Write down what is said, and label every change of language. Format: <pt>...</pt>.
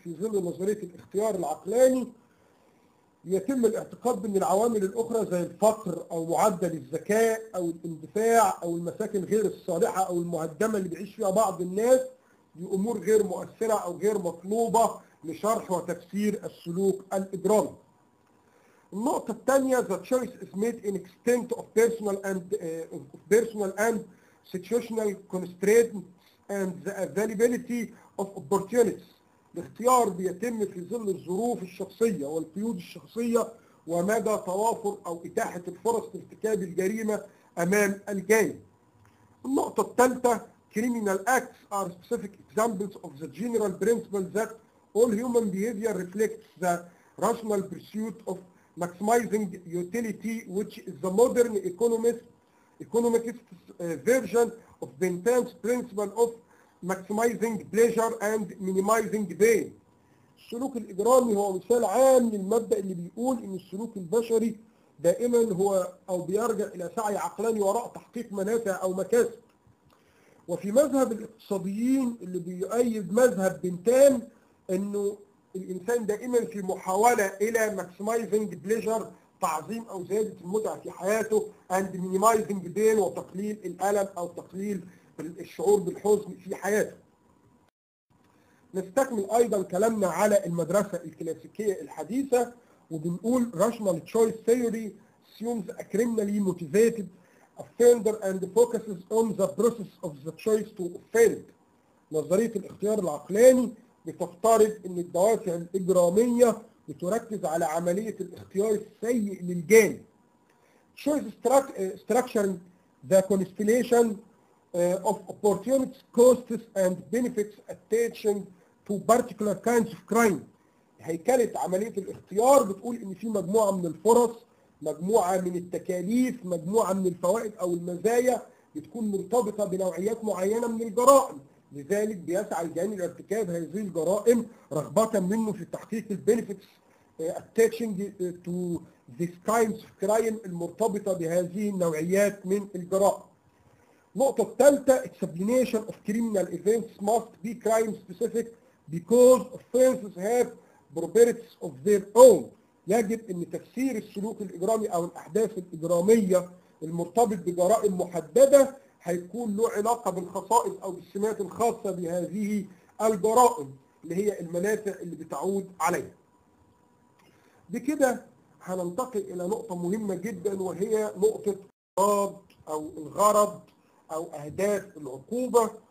<ar>في ظل نظريه الاختيار العقلاني يتم الاعتقاد بان العوامل الاخرى زي الفقر او معدل الذكاء او الاندفاع او المساكن غير الصالحه او المهدمه اللي بيعيش فيها بعض الناس دي امور غير مؤثره او غير مطلوبه لشرح وتفسير السلوك الاجرامي. النقطه الثانيه</ar> <en>the choice is made in extent of personal and situational constraints and the availability of opportunities.</en> <ar>الاختيار بيتم في ظل الظروف الشخصية والقيود الشخصية ومدى توافر أو إتاحة الفرص لارتكاب الجريمة أمام الجائم. النقطة الثالثة</ar> <en>criminal acts are specific examples of the general principle that all human behavior reflects the rational pursuit of maximizing utility which is the modern economist's version of the intense principle of maximizing pleasure and minimizing pain.</en> <ar>السلوك الإجرامي هو مثال عام للمبدأ اللي بيقول إن السلوك البشري دائما هو أو بيرجع إلى سعي عقلاني وراء تحقيق منافع أو مكاسب. وفي مذهب الاقتصاديين اللي بيؤيد مذهب بنتام إنه الإنسان دائما في محاولة إلى</ar> <en>maximizing pleasure</en> <ar>تعظيم أو زيادة المتعة في حياته</ar> <en>and minimizing pain</en> <ar>وتقليل الألم أو تقليل الشعور بالحزن في حياته. نستكمل ايضا كلامنا على المدرسة الكلاسيكية الحديثة وبنقول</ar> <en>rational choice theory assumes a criminally motivated offender and focuses on the process of the choice to offend.</en> <ar>نظرية الاختيار العقلاني بتفترض ان الدوافع الاجرامية بتركز على عملية الاختيار السيء للجاني.</ar> <en>choice structuring the constellation of opportunities, costs, and benefits attaching to particular kinds of crime.</en> <ar>هيكلة عملية الاختيار بتقول ان في مجموعة من الفرص، مجموعة من التكاليف، مجموعة من الفوائد او المزايا بتكون مرتبطة بنوعيات معينة من الجرائم، لذلك بيسعى الجاني لارتكاب هذه الجرائم رغبة منه في تحقيق البنفيتس</ar> <en>attaching to these kinds of crime</en> <ar>المرتبطة بهذه النوعيات من الجرائم. نقطة الثالثة</ar> <en>explanation of criminal events must be crime specific because offenses have properties of their own.</en> <ar>يجب ان تفسير السلوك الاجرامي او الاحداث الاجرامية المرتبط بجرائم محددة هيكون له علاقة بالخصائص او بالسمات الخاصة بهذه الجرائم اللي هي المنافع اللي بتعود عليها. بكده هننتقل الى نقطة مهمة جدا وهي نقطة الغرض او الغرض او اهداف العقوبة.</ar>